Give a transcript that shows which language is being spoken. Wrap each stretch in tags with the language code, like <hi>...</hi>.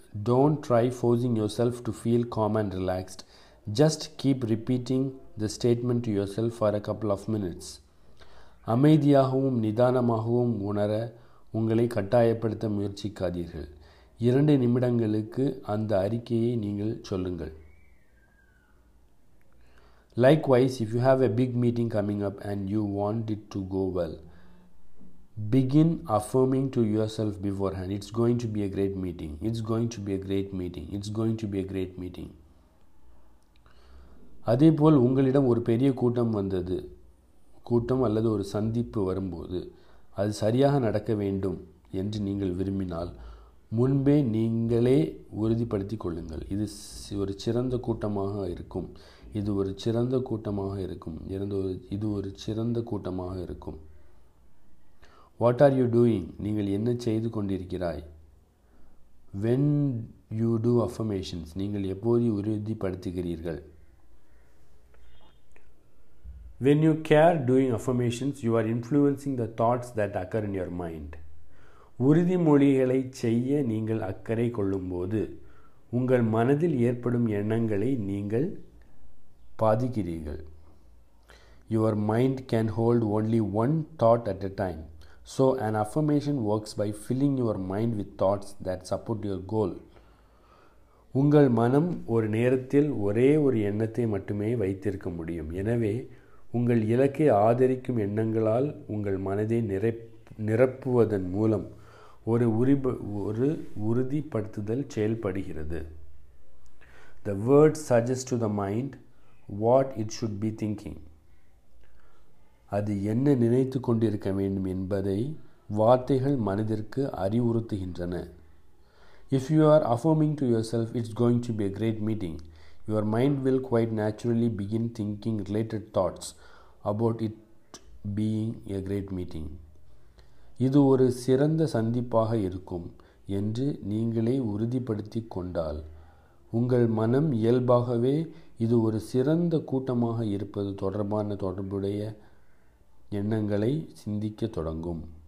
<en>Don't try forcing yourself to feel calm and relaxed. Just keep repeating the statement to yourself for a couple of minutes.</en> <ta>அமைதியாகவும் நிதானமாகவும் உணர உங்களை கட்டாயப்படுத்த முயற்சிக்காதீர்கள். 2 நிமிடங்களுக்கு அந்த அறிக்கையை நீங்கள் சொல்லுங்கள்.</ta> <en>Likewise, if you have a big meeting coming up and you want it to go well, begin affirming to yourself beforehand, it's going to be a great meeting, it's going to be a great meeting, it's going to be a great meeting.</en> <ta>அதேபோல் உங்களிடம் ஒரு பெரிய கூட்டம் வந்தது கூட்டம் அல்லது ஒரு சந்திப்பு வரும்போது அது சரியாக நடக்க வேண்டும் என்று நீங்கள் விரும்பினால் முன்பே நீங்களே உறுதிப்படுத்தி கொள்ளுங்கள். இது ஒரு சிறந்த கூட்டமாக இருக்கும், இது ஒரு சிறந்த கூட்டமாக இருக்கும், இது ஒரு சிறந்த கூட்டமாக இருக்கும்.</ta> <en>What are you doing?</en> <ta>நீங்கள் என்ன செய்து கொண்டிருக்கிறாய்?</ta> <en>When you do affirmations?</en> <ta>நீங்கள் எப்போது உறுதிப்படுத்துகிறீர்கள்?</ta> <en>When you care doing affirmations, you are influencing the thoughts that occur in your mind.</en> <ta>உறுதிமொழிகளை செய்ய நீங்கள் அக்கறை கொள்ளும்போது உங்கள் மனதில் ஏற்படும் எண்ணங்களை நீங்கள் பாதிக்கிறீர்கள்.</ta> <en>Your mind can hold only one thought at a time. So an affirmation works by filling your mind with thoughts that support your goal.</en> <ta>உங்கள் மனம் ஒரு நேரத்தில் ஒரே ஒரு எண்ணத்தை மட்டுமே வைத்திருக்க முடியும். எனவே உங்கள் இலக்கை ஆதரிக்கும் எண்ணங்களால் உங்கள் மனதை நிரப்புவதன் மூலம் ஒரு உறுதிப்படுத்துதல் செயல்படுகிறது.</ta> <en>The word suggests to the mind what it should be thinking.</en> <ta>அது என்ன நினைத்து கொண்டிருக்க வேண்டும் என்பதை வார்த்தைகள் மனதிற்கு அறிவுறுத்துகின்றன.</ta> <en>If you are affirming to yourself, it's going to be a great meeting. Your mind will quite naturally begin thinking related thoughts about it being a great meeting.</en> <ta>இது ஒரு சிறந்த சந்திப்பாக இருக்கும் என்று நீங்களே உறுதிப்படுத்தி கொண்டால் உங்கள் மனம் இயல்பாகவே இது ஒரு சிறந்த கூட்டமாக இருப்பது தொடர்பான தொடர்புடைய எண்ணங்களை சிந்திக்க தொடங்கும்.</ta>